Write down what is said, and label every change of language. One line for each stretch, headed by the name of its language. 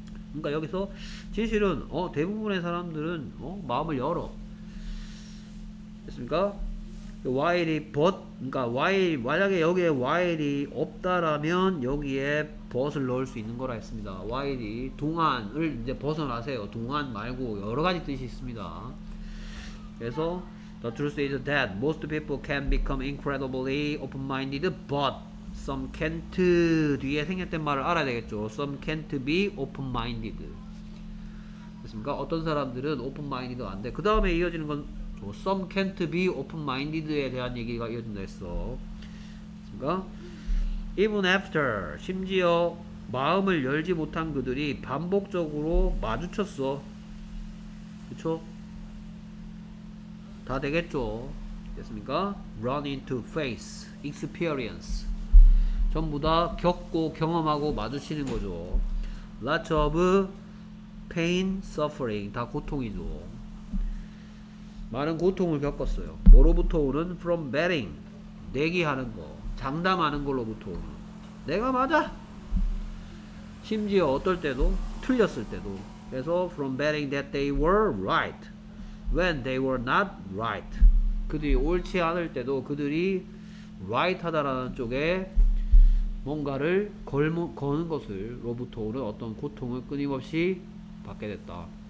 Korean: 그러니까 여기서 진실은 대부분의 사람들은 마음을 열어. 됐습니까? while이 but, 그러니까 while, 만약에 여기에 while이 없다라면 여기에 but을 넣을 수 있는 거라 했습니다. while이 동안을 이제 벗어나세요. 동안 말고 여러 가지 뜻이 있습니다. 그래서
English: the truth is that most people can become incredibly open-minded, but some can't
Korean: 뒤에 생략된 말을 알아야 되겠죠.
English: some can't be open-minded.
Korean: 됐습니까? 어떤 사람들은 open-minded 안 돼. 그 다음에 이어지는 건
English: Some can't be open-minded
Korean: 에 대한 얘기가 이어진다 했어. 그러니까
English: Even after,
Korean: 심지어 마음을 열지 못한 그들이 반복적으로 마주쳤어. 그쵸? 다 되겠죠? 됐습니까?
English: Run into face, experience.
Korean: 전부 다 겪고 경험하고 마주치는 거죠.
English: Lots of pain, suffering.
Korean: 다 고통이죠. 많은 고통을 겪었어요. 뭐로부터 오는?
English: From betting.
Korean: 내기하는 거. 장담하는 걸로부터 오는. 내가 맞아. 심지어 어떨 때도 틀렸을 때도. 그래서
English: from betting that they were right when they were not right.
Korean: 그들이 옳지 않을 때도 그들이 right 하다라는 쪽에 뭔가를 거는 것으로부터 오는 어떤 고통을 끊임없이 받게 됐다.